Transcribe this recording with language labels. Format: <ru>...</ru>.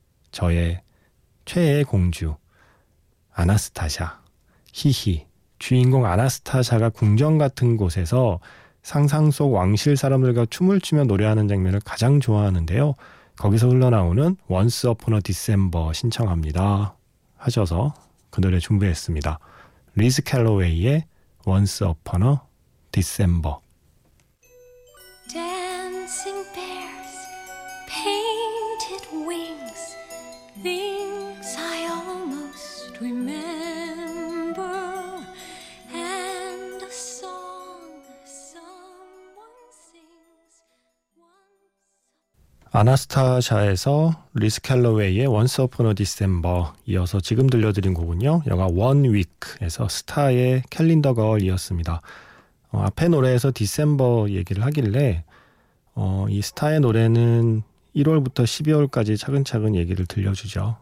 <ko>저의 최애 공주 아나스타샤 히히 주인공 아나스타샤가 궁전 같은 곳에서 상상 속 왕실 사람들과 춤을 추며 노래하는 장면을 가장 좋아하는데요. 거기서 흘러나오는 Once Upon a December 신청합니다 하셔서 그 노래 준비했습니다. 리즈 캘로웨이의 Once Upon a December.</ko> <en>Dancing bears, painted wings, things I almost remember, and a song someone sings.</en> <ko>아나스타샤에서 리즈 캘로웨이의 Once Upon a December 이어서 지금 들려드린 곡은요, 영화 One Week에서 스타의 캘린더 걸이었습니다. 앞에 노래에서 디셈버 얘기를 하길래 이 스타의 노래는 1월부터 12월까지 차근차근 얘기를 들려주죠.</ko>